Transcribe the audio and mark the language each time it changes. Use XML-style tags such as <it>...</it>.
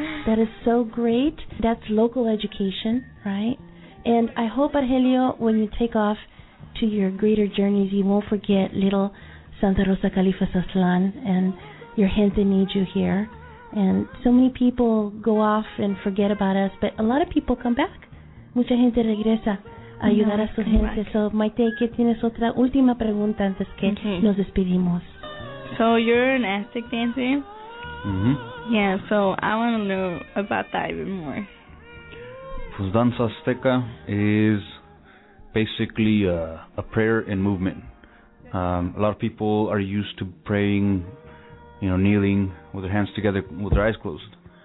<en>That is so great. That's local education, right? And I hope, Argelio, when you take off to your greater journeys, you won't forget little Santa Rosa Califa Aztlán and your gente need you here. And so many people go off and forget about us, but a lot of people come back.</en> <es>Mucha gente regresa a ayudar a su gente. So, Maite, ¿qué tienes otra última pregunta antes que nos despedimos?</es> <en>So, you're an Aztec dancer? Mm-hmm. Yeah, so I want to know about that even more. Pues danza azteca is basically a prayer in movement. A lot of people are used to praying, you know, kneeling with their hands together with their eyes closed.</en>